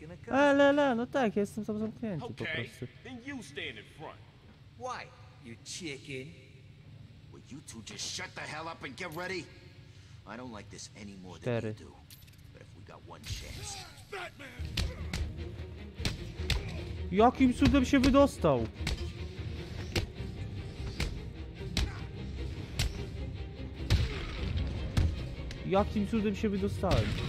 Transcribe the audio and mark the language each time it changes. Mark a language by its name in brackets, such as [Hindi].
[Polish] Ale, le, no tak, jestem sam zamknięty po prostu. [English] Then you stand in front. Why, you chicken? Would you two just shut the hell up and get ready? I don't like this any more than you do. But if we got one chance. [Polish] Jakim cudem się wydostał? Jakim cudem się wydostałem?